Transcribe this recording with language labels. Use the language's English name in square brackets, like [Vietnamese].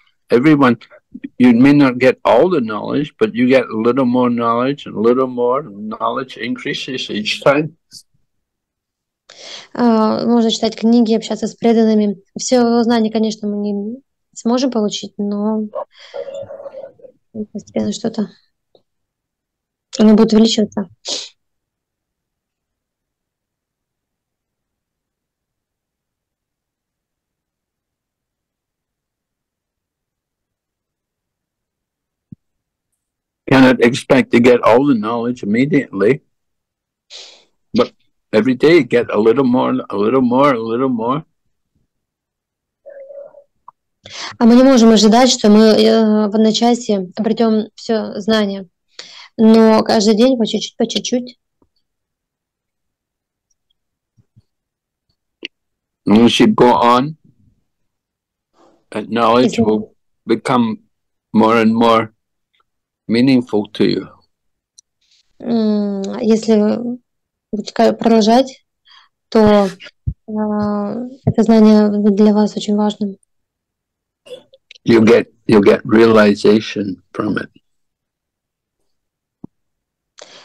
[English] Everyone, you may not get all the knowledge, but you get a little more knowledge, and a little more knowledge increases each time. [Russian] Можно читать книги, общаться с преданными. Все знания, конечно, мы не сможем получить, но постепенно что-то оно будет увеличиваться. [English] Cannot expect to get all the knowledge immediately, but every day get a little more, a little more, a little more. [Russian] А мы не можем ожидать, что мы в одночасье обретем все знания, но каждый день по чуть-чуть, по чуть-чуть. [English] We should go on. That knowledge will become more and more meaningful to you. [Russian] Если продолжать, то это знание для вас очень важным. [English] You get realization from it.